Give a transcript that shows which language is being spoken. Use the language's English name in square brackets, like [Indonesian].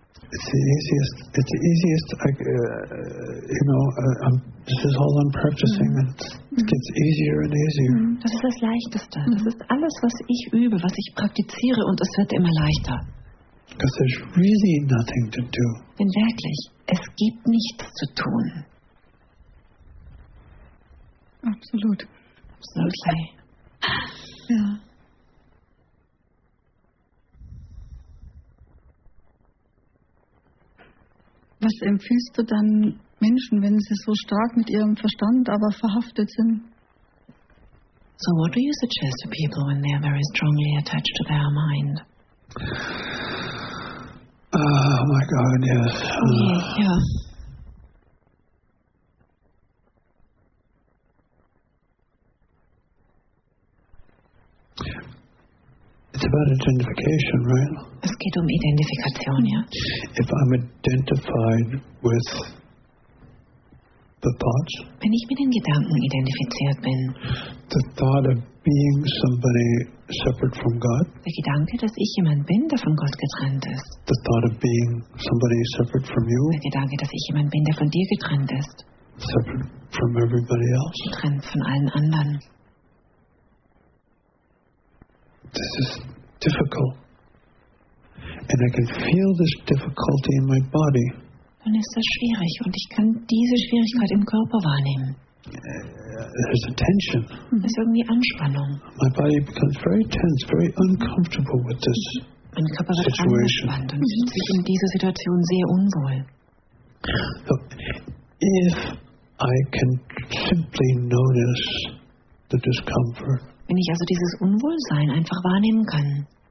[English] It's the easiest, this is all I'm practicing. And it gets easier and easier. [German] Das ist das Leichteste. Das ist alles, was ich übe, was ich praktiziere, und es wird immer leichter. [English] Because there's really nothing to do. [German] Denn wirklich, es gibt nichts zu tun. Absolut. [English] Absolutely. [German] Ja. Was empfiehlst du dann Menschen, wenn sie so stark mit ihrem Verstand aber verhaftet sind? [English] So what do you suggest to people when they are very strongly attached to their mind? Oh my God, yes. Yeah. It's about identification, right? [German] Es geht um Identifikation, ja. [English] If I'm identified with the thoughts, [German] wenn ich mit den Gedanken identifiziert bin, [English] the thought of being somebody separate from God, [German] der Gedanke, dass ich jemand bin, der von Gott getrennt ist, [English] the thought of being somebody separate from you, [German] der Gedanke, dass ich jemand bin, der von dir getrennt ist, [English] separate from everybody else, [German] getrennt von allen anderen. [English] This is difficult. And I can feel this difficulty in my body. [German] Dann ist das schwierig und ich kann diese Schwierigkeit im Körper wahrnehmen. [English] There's a tension. [German] Es ist irgendwie Anspannung. [English] My body becomes very tense, very uncomfortable with this situation. [German] Mein Körper wird angespannt und fühlt sich in dieser Situation sehr unwohl. [English] So, if I can simply notice the discomfort, [German] wenn ich also dieses Unwohlsein einfach wahrnehmen kann.